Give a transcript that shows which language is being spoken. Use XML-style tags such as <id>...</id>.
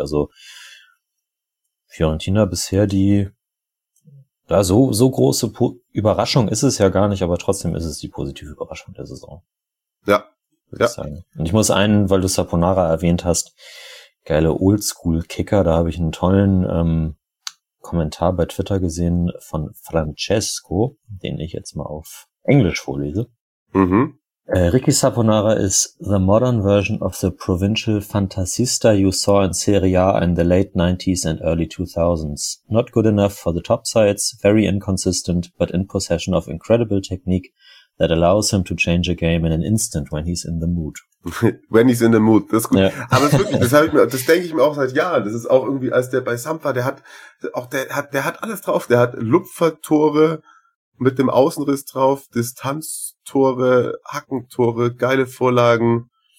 <de>Also Fiorentina bisher die, da ja, so große Überraschung ist es ja gar nicht, aber trotzdem ist es die positive Überraschung der Saison. Ja. Würde ich sagen. Und ich muss einen, weil du Saponara erwähnt hast, geile Oldschool-Kicker, da habe ich einen tollen Kommentar bei Twitter gesehen von Francesco, den ich jetzt mal auf Englisch vorlese. Mhm.</de> <en>Ricky Saponara is the modern version of the provincial fantasista you saw in Serie A in the late 90s and early 2000s. Not good enough for the top sides, very inconsistent, but in possession of incredible technique that allows him to change a game in an instant when he's in the mood. When he's in the mood,</en> <de>das ist gut. Ja. Aber wirklich, das denke ich mir auch seit Jahren. Das ist auch irgendwie, als der bei Sampa, der hat alles drauf. Der hat Lupfertore mit dem Außenriss drauf, Distanztore, Hackentore, geile Vorlagen.</de>